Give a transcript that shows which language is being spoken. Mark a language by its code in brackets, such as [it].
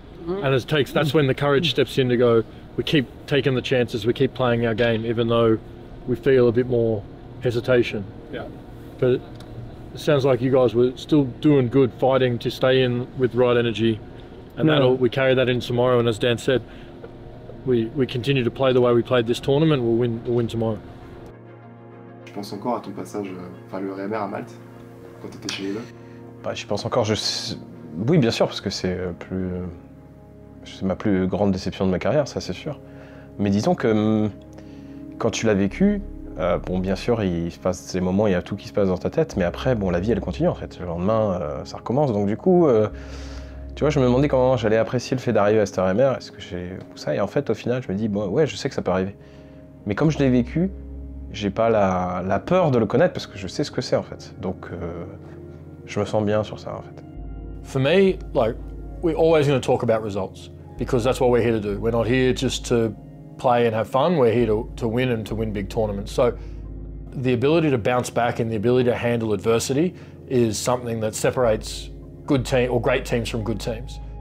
[en] And it takes, that's when the courage steps in to go, we keep taking the chances, we keep playing our game, even though we feel a bit more hesitation. Yeah. But it sounds like you guys were still doing good fighting to stay in with right energy, and we carry that in tomorrow. And as Dan said, we continue to play the way we played this tournament, we'll win tomorrow. [fr] Je pense encore à ton passage par le RMR à Malte quand tu étais chez eux. Bah, je pense encore, oui, bien sûr, parce que c'est plus c'est ma plus grande déception de ma carrière, ça c'est sûr. Mais disons que quand tu l'as vécu. Bon, bien sûr, il se passe ces moments, il y a tout qui se passe dans ta tête, mais après, bon, la vie, elle continue, en fait. Le lendemain, ça recommence, donc du coup, tu vois, je me demandais comment j'allais apprécier le fait d'arriver à cette RMR, est-ce que j'ai tout ça, et en fait, au final, je me dis, bon, ouais, je sais que ça peut arriver. Mais comme je l'ai vécu, j'ai pas la peur de le connaître, parce que je sais ce que c'est, en fait. Donc, je me sens bien sur ça, en fait. [en] For me, like, we're always going to talk about results, because that's what we're here to do. We're not here just to play and have fun, we're here to win and to win big tournaments. So the ability to bounce back and the ability to handle adversity is something that separates good team or great teams from good teams.